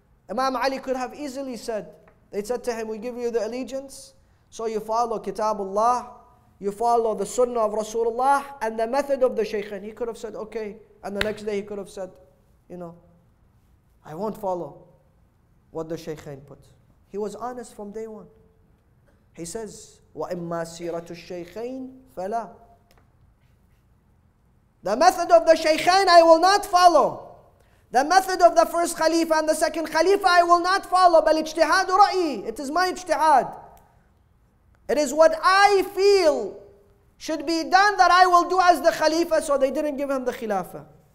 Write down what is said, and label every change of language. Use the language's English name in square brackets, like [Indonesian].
[English] Imam Ali could have easily said, they said to him, we give you the allegiance, so you follow kitabullah, you follow the sunnah of Rasulullah and the method of the shaykhain. He could have said, okay. And the next day he could have said, you know, I won't follow what the shaykhain put. He was honest from day one. He says, [Arabic] وَإِمَّا سِيرَةُ الشَّيْخَيْنِ فَلَا. [English] The method of the shaykhain I will not follow. The method of the first khalifa and the second khalifa I will not follow. [Arabic] بَلْ اجْتِحَادُ رَأِيِ. [English] It is my ijtihad. It is what I feel should be done that I will do as the khalifa. So they didn't give him the khilafah.